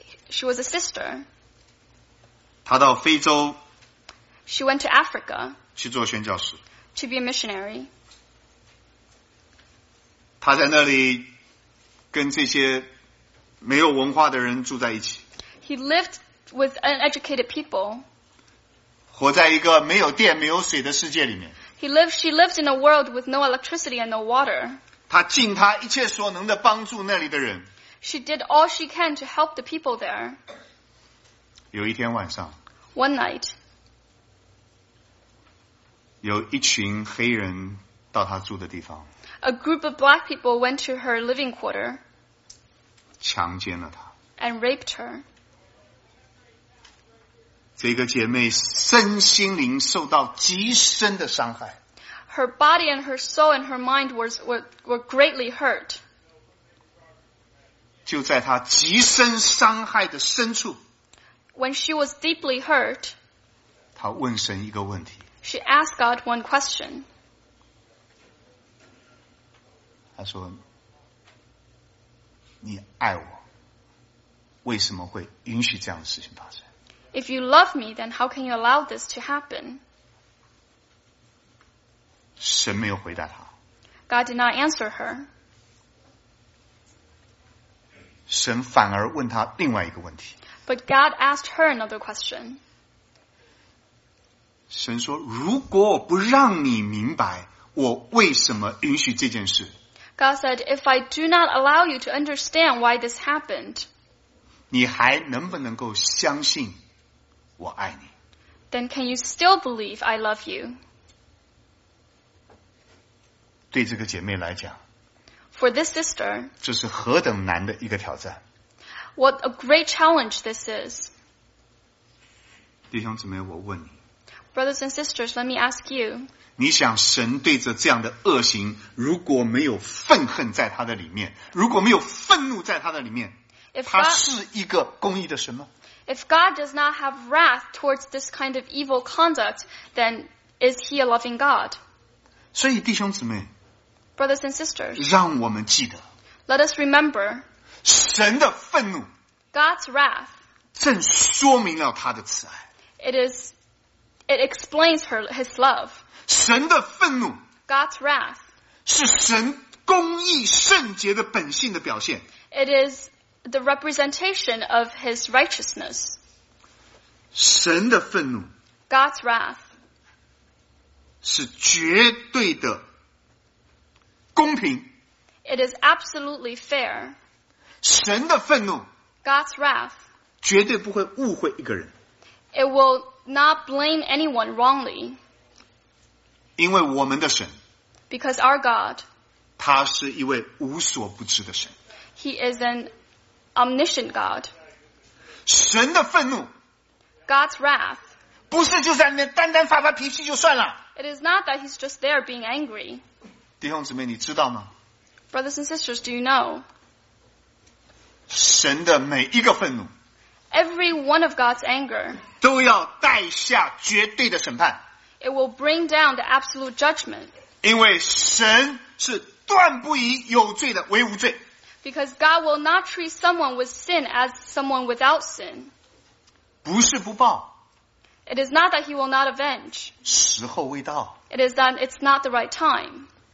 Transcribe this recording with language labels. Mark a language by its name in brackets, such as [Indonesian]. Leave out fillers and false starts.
[English] She was a sister [Chinese] 她到非洲 [English] She went to Africa [Chinese] 去做宣教士 [English] to be a missionary. [Chinese] 她在那里跟这些没有文化的人住在一起 [English] He lived with uneducated people. [Chinese] 活在一个没有电没有水的世界里面 [English] She lived in a world with no electricity and no water. [Chinese] 她尽她一切所能的帮助那里的人 [English] She did all she can to help the people there. [Chinese] 有一天晚上 [English] One night. [Chinese] 有一群黑人到他住的地方。 [English] A group of black people went to her living quarter. [Chinese] 强奸了她。 [English] And raped her. [Chinese] 这个姐妹身心灵受到极深的伤害。 [English] Her body and her soul and her mind were greatly hurt. [Chinese] 就在她极深伤害的深处。 [English] When she was deeply hurt. [Chinese] 她问神一个问题。 [English] She asked God one question. [Chinese] 她说你爱我为什么会允许这样的事情发生 [English] If you love me, then how can you allow this to happen? [Chinese] 神没有回答她 [English] God did not answer her. [Chinese] 神反而问她另外一个问题 [English] But God asked her another question. [Chinese] 神说如果我不让你明白我为什么允许这件事 [English] God said if I do not allow you to understand why this happened [Chinese] 你还能不能够相信我爱你 [English] Then can you still believe I love you [Chinese] 对这个姐妹来讲 [English] For this sister [Chinese] 这是何等难的一个挑战 [English] What a great challenge this is [Chinese] 弟兄姊妹我问你 [English] Brothers and sisters, let me ask you. [Chinese] 你想神对着这样的恶行，如果没有愤恨在他的里面，如果没有愤怒在他的里面，他是一个公义的神吗？ [English] If God does not have wrath towards this kind of evil conduct, then is he a loving God? [Chinese] 所以弟兄姊妹， [English] Brothers and sisters, [Chinese] 让我们记得， [English] Let us remember, [Chinese] 神的愤怒， [English] God's wrath, [Chinese] 正说明了他的慈爱。 [English] It explains his love. [Chinese] 神的愤怒 [English] God's wrath [Chinese] 是神公义圣洁的本性的表现。 [English] It is the representation of his righteousness. [Chinese] 神的愤怒 [English] God's wrath [Chinese] 是绝对的公平。 [English] It is absolutely fair. [Chinese] 神的愤怒 [English] God's wrath [Chinese] 绝对不会误会一个人。 [English] It will not blame anyone wrongly. [Chinese] 因为我们的神 [English] Because our God [Chinese] 他是一位无所不知的神 [English] He is an omniscient God. [Chinese] 神的愤怒 [English] God's wrath [Chinese] 不是就在那单单发发脾气就算了 [English] It is not that he's just there being angry. [Chinese] 弟兄姊妹你知道吗 [English] Brothers and sisters, do you know? [Chinese] 神的每一个愤怒 [English] Every one of God's anger [Chinese] 都要带下绝对的审判 [English] It will bring down the absolute judgment [Chinese] 因为神是断不以有罪的为无罪 [English] Because God will not treat someone with sin as someone without sin. [Chinese] 不是不报。 [English] It is not that he will not avenge. [Chinese] 时候未到。 [English] It is that it's not the right time.